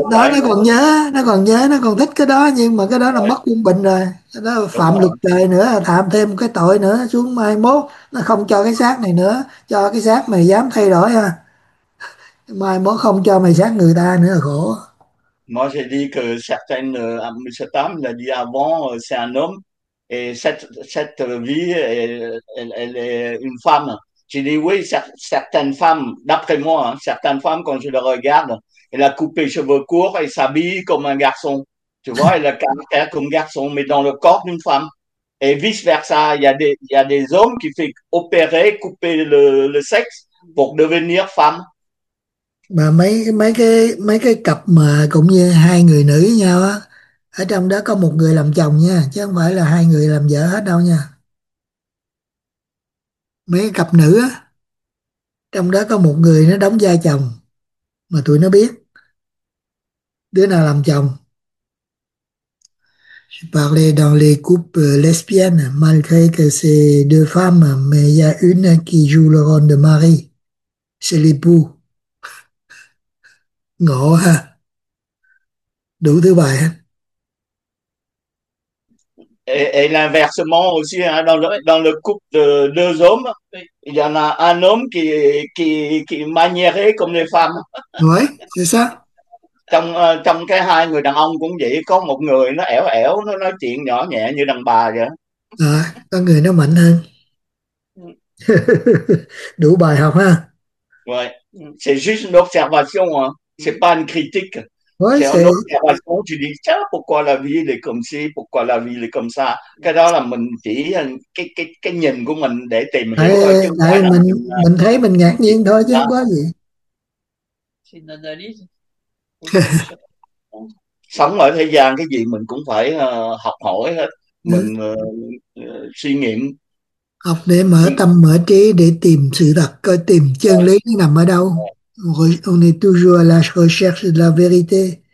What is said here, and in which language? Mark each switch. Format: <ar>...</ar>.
<vi>đó đó, vậy nó còn thích cái đó, nhưng mà cái đó là nữa. mất quân bình rồi, cái đó là Đúng phạm luật trời nữa, phạm thêm cái tội nữa, xuống mai mốt nó không cho cái xác này nữa, cho cái xác mày dám thay đổi ha, mai mốt không cho mày xác người ta nữa, khổ.</vi> <fr>Moi j'ai dit que certaines cette âme l'a dit avant c'est un homme et cette vie elle est une femme. J'ai dit oui, certaines femmes, d'après moi, hein, certaines femmes, quand je les regarde, elles ont coupé les cheveux courts et s'habillent comme un garçon. Tu vois, elles ont le caractère comme garçon, mais dans le corps d'une femme. Et vice-versa, il y a des hommes qui font opérer, couper le sexe pour devenir femme.</fr> <vi>Mà mấy cái cặp mà cũng như hai người nữ với nhau á, ở trong đó có một người làm chồng nha, chứ không phải là hai người làm vợ hết đâu nha. Mấy cái cặp nữ á, trong đó có một người nó đóng vai chồng mà tụi nó biết đứa nào làm chồng.</vi> <fr>Je parlais dans les couples lesbiennes, malgré que c'est deux femmes, mais il y a une qui joue le rôle de mari. C'est l'époux.</fr> <vi>Ngộ ha. Đủ thứ bài hết.</vi> <fr>Et l'inversement aussi, hein, dans le couple de deux hommes, il y en a un homme qui est maniéré comme les femmes. Ouais, c'est ça.</fr> <vi>Trong cái hai người đàn ông cũng vậy, có một người nó ẻo ẻo, nó nói chuyện nhỏ nhẹ như đàn bà vậy. À, con người nó mạnh hơn. Đủ bài học ha.</vi> <fr>Juste une observation, hein. C'est pas une critique. Ouais, C'est une c'est observation, tu dis, tiens, pourquoi la vie elle est comme ci, pourquoi la vie elle est comme ça.</fr> <vi>Cái đó là mình chỉ cái nhìn của mình để tìm hiểu thôi, chứ đấy, không phải là mình thấy mình ngạc nhiên thôi chứ không có gì.</vi> <fr>c'est une analyse ou</fr> <vi>Ừ.</vi> <fr>une observation.</fr> <vi>Sống ở thế gian cái gì mình cũng phải học hỏi hết, Được. mình suy Học để mở nghiệm. tâm mở trí, để tìm sự thật, coi tìm chân lý nó nằm ở đâu.</vi> <fr>On est toujours à la recherche de la vérité.</fr>